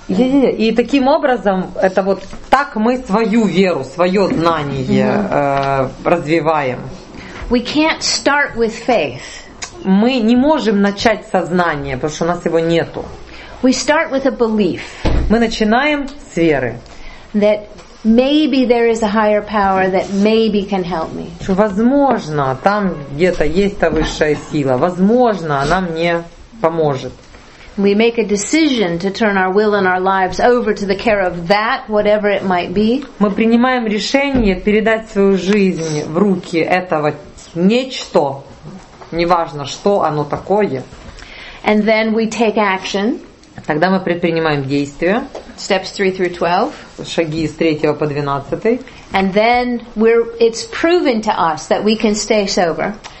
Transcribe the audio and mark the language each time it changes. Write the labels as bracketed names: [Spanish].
[English] Yeah. Yeah. [Russian] И таким образом, это вот так мы свою веру, свое знание развиваем. [English] We can't start with faith. [Russian] Мы не можем начать со знания, потому что у нас его нету. [English] We start with a belief. [Russian] Мы начинаем с веры. [English] That maybe there is a higher power that maybe can help me. [Russian] Что возможно, там где-то есть та высшая сила. Возможно, она мне поможет. [English] We make a decision to turn our will and our lives over to the care of that, whatever it might be. [Russian] Мы принимаем решение передать свою жизнь в руки этого нечто, неважно, что оно такое. [English] And then we take action. [Russian] Тогда мы предпринимаем действия. [English] Steps 3 through 12. [Russian] Шаги с 3 по 12. [English] And then it's proven to us that we can stay sober.